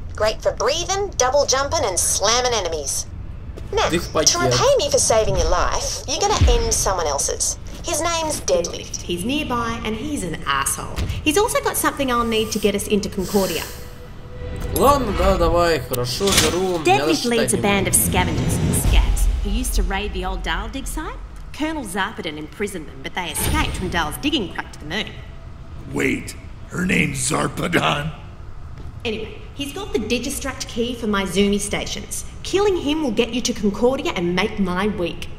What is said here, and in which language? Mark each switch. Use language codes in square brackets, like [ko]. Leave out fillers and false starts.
[en] Great for breathing, double jumping and slamming enemies. Now, to repay me for saving your life, you're gonna end someone else's. His name's Deadlift. He's nearby, and he's an asshole. He's also got something I'll need to get us into Concordia. [ru] Ладно, да, давай, хорошо, беру. [en] Deadlift leads a band of scavengers and scats who used to raid the old Dahl dig site. Colonel Zarpadon imprisoned them, but they escaped when Dahl's digging cracked the moon. Wait, her name's Zarpadon? Anyway. He's got the Digistract key for my Zumi stations. Killing him will get you to Concordia and make my week.